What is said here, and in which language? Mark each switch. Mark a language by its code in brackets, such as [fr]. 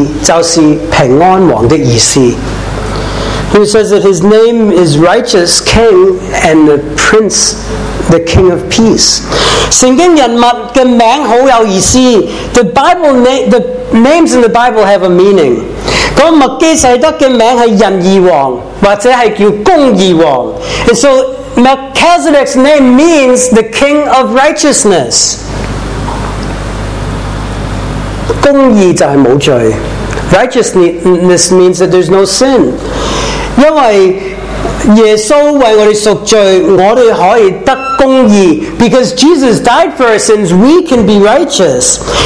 [zh] 阿伯拉罕将自己所得的取十分之一给他，他头一个名翻出来就是仁义王，他又名撒兰王，是就是平安王的意思。 [en] He says that his name is righteous king and the prince, the king of peace. [zh] 圣经人物的名好有意思。 [en] The Bible the names in the Bible have a meaning. [zh] 麦基洗德的名是仁义王，或者是叫公义王。 [en] And so Melchizedek's name means the king of righteousness. [zh] 公义就是无罪。 [en] Righteousness means that there's no sin. [zh] 因为耶稣为我们赎罪，我们可以得公义。 [en] Because Jesus died for our sins, we can be righteous.